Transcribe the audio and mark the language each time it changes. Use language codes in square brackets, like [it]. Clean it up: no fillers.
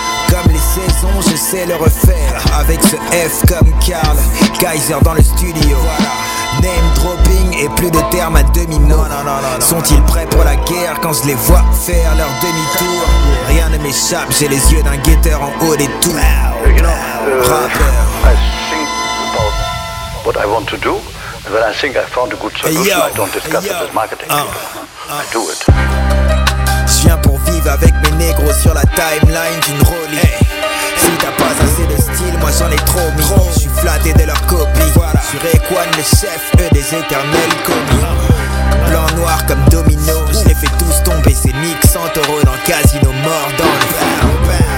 [fr] Comme les saisons, je sais le refaire. Avec ce F comme Karl Kaiser dans le studio. Name dropping et plus de termes à demi-mot. Sont-ils prêts pour la guerre quand je les vois faire leur demi-tour? Rien ne m'échappe, j'ai les yeux d'un guetteur en haut des tours. [en] You know, rappeur. I think about what I want to do. And then I think I found a good solution. I don't discuss it with marketing. I do it. [fr] Je viens pour vivre avec mes négros sur la timeline d'une rolie. Si t'as pas assez de style, moi j'en ai trop mis. Je suis flatté de leur copie. Voilà. Sur Equan, le chef, eux des éternels commis. Blanc noir comme domino, je les fais tous tomber. C'est Nick Santoro dans le casino mort dans le verre.